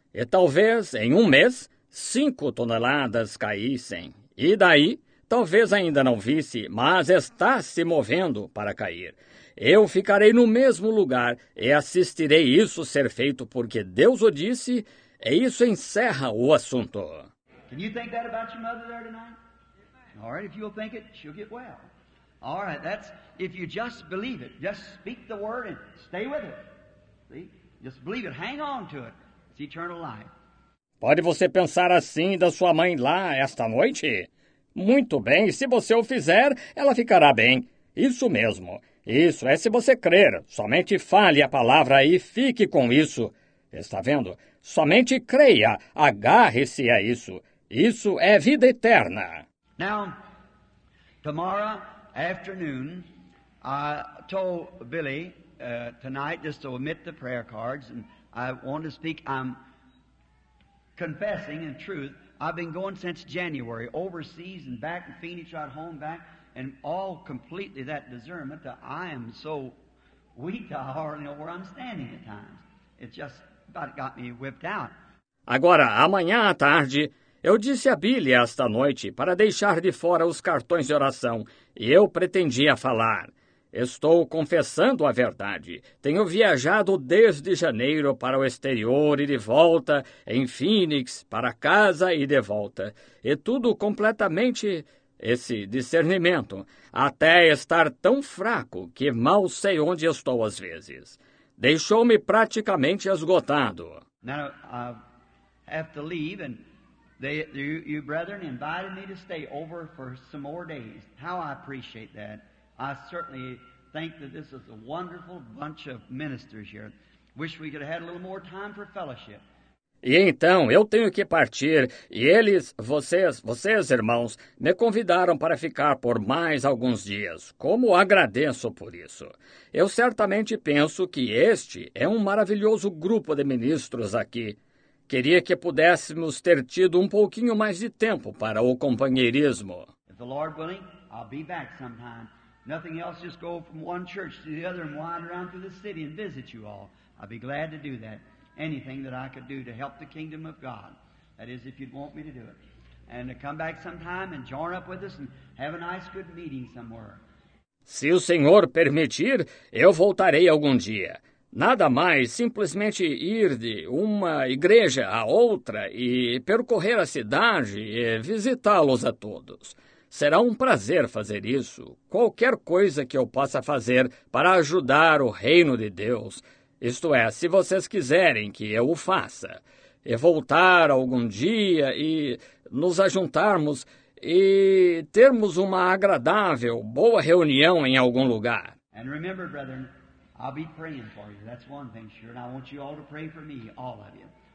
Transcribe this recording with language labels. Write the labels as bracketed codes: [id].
[pt] E talvez, em 1 mês, 5 toneladas caíssem. E daí? Talvez ainda não visse, mas está se movendo para cair. Eu ficarei no mesmo lugar e assistirei isso ser feito porque Deus o disse, e isso encerra o assunto. [en] Can you think that about your mother there tonight? All right, if you'll think it, she'll get well. All right, that's if you just believe it, just speak the word and stay with it. See? Just believe it, hang on to it. It's eternal life. [pt] Pode você pensar assim da sua mãe lá esta noite? Muito bem, se você o fizer, ela ficará bem. Isso mesmo. Isso é se você crer. Somente fale a palavra e fique com isso. Está vendo? Somente creia, agarre-se a isso. Isso é vida eterna. [en] Now, tomorrow afternoon, I told Billy tonight just to omit the prayer cards and I want to speak. I'm confessing in truth. I've been going since January, overseas and back, and Phoenix right home back, and all completely that discernment that I am so weak, I hardly know where I'm standing at times. It just about got me whipped out. [pt] Agora, amanhã à tarde, eu disse a Billy esta noite para deixar de fora os cartões de oração, e eu pretendia falar. Estou confessando a verdade. Tenho viajado desde janeiro para o exterior e de volta, em Phoenix, para casa e de volta. E tudo completamente esse discernimento, até estar tão fraco que mal sei onde estou às vezes. Deixou-me praticamente esgotado. [en] Now, I have to leave, and you brethren invited me to stay over for some more days. How I appreciate that. I certainly think that this is a wonderful bunch of ministers here. Wish we could have had a little more time for fellowship. [pt] E então eu tenho que partir, e eles, vocês, irmãos, me convidaram para ficar por mais alguns dias. Como agradeço por isso. Eu certamente penso que este é um maravilhoso grupo de ministros aqui. Queria que pudéssemos ter tido um pouquinho mais de tempo para o companheirismo. [en] If the Lord willing, I'll be back sometime. Nothing else, just go from one church to the other and wander around through the city and visit you all. I'd be glad to do that. Anything that I could do to help the kingdom of God. That is, if you'd want me to do it. And to come back sometime and join up with us and have a nice good meeting somewhere. [pt] Se o senhor permitir, eu voltarei algum dia. Nada mais, simplesmente ir de uma igreja a outra e percorrer a cidade e visitá-los a todos. Será um prazer fazer isso. Qualquer coisa que eu possa fazer para ajudar o reino de Deus, isto é, se vocês quiserem que eu o faça, e voltar algum dia e nos ajuntarmos e termos uma agradável, boa reunião em algum lugar. [en] And remember, brethren, I'll be praying for you. That's one thing, sure. And I want you all to pray for me, all of you.